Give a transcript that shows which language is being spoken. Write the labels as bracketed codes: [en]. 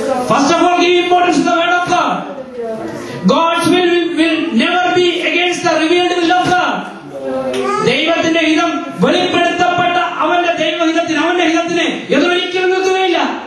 [en] First of all give importance to the word of God. God's will never be against the revealed will of God. [ml] ദൈവത്തിന്റെ ഹിതം വെളിപ്പെടുത്തപ്പെട്ട അവന്റെ ദൈവഹിതത്തിന്, അവന്റെ ഹിതത്തിന് എതിരൊരിക്കലും നിൽക്കുകയില്ല.